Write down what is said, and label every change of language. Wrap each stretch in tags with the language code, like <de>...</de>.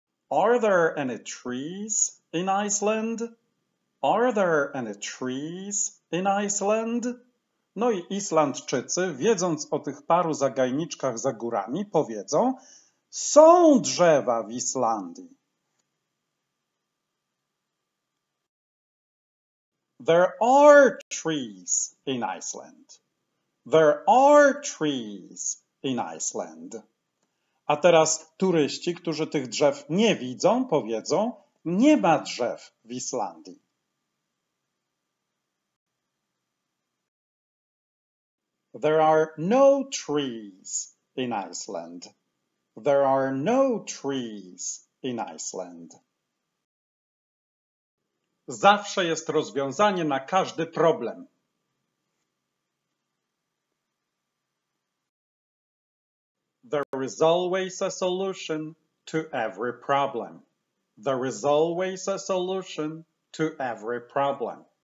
<en>Are there any trees in Iceland? Are there any trees in Iceland?</en> <pl>No i Islandczycy, wiedząc o tych paru zagajniczkach za górami, powiedzą, są drzewa w Islandii.</pl> <en>There are trees in Iceland. There are trees in Iceland.</en> <pl>A teraz turyści, którzy tych drzew nie widzą, powiedzą, nie ma drzew w Islandii.</pl> <en>There are no trees in Iceland. There are no trees in Iceland.</en> <pl>Zawsze jest rozwiązanie na każdy problem.</pl> <en>There is always a solution to every problem. There is always a solution to every problem.</en>